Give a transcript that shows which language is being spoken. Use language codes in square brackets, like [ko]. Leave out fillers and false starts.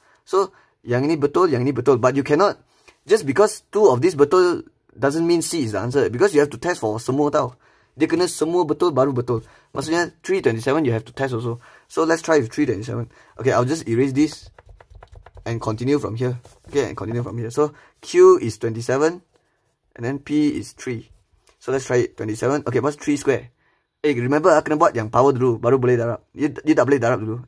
[ms] So yang ini betul, yang ini betul. [en] But you cannot, just because 2 of this betul doesn't mean C is the answer. Because you have to test for [ms] semua tau. Dia kena semua betul baru betul. [en] Maksudnya 327 you have to test also. So let's try with 327. Okay, I'll just erase this and continue from here. Okay, and continue from here. So Q is 27 and then P is 3. So let's try it. 27. Okay, what's 3 square? [ms] Hey, remember kena buat yang power dulu baru boleh darab. [en] You [ms] tak boleh darab dulu.